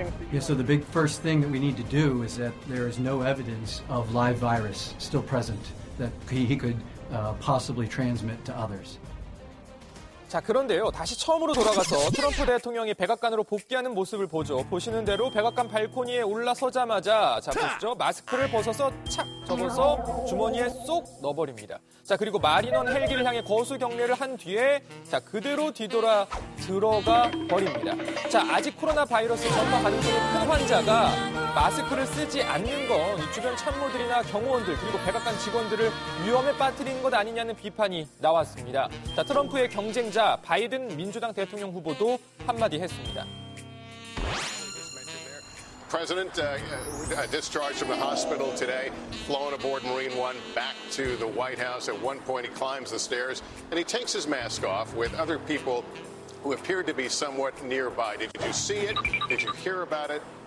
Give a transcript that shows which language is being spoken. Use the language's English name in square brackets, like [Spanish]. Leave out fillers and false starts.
[English] Yeah, so the big first thing that we need to do is that there is no evidence of live virus still present that he could possibly transmit to others. [Korean] 자, 그런데요. 다시 처음으로 돌아가서 트럼프 대통령이 백악관으로 복귀하는 모습을 보죠. 보시는 대로 백악관 발코니에 올라서자마자 자, 보시죠. 마스크를 벗어서 착 접어서 주머니에 쏙 넣어버립니다. 자, 그리고 마리넌 헬기를 향해 거수 경례를 한 뒤에 자, 그대로 뒤돌아 들어가 버립니다. 자, 아직 코로나 바이러스 전파 가능성이 큰 환자가 마스크를 쓰지 않는 건 주변 참모들이나 경호원들 그리고 백악관 직원들을 위험에 빠뜨리는 것 아니냐는 비판이 나왔습니다. 자, 트럼프의 경쟁자 바이든 민주당 대통령 후보도 한마디 했습니다. [English] President discharged from the hospital today, flown aboard Marine One back to the White House. At one point he climbs the stairs and he takes his mask off with other people who appeared to be somewhat nearby. Did you see it? Did you hear about it?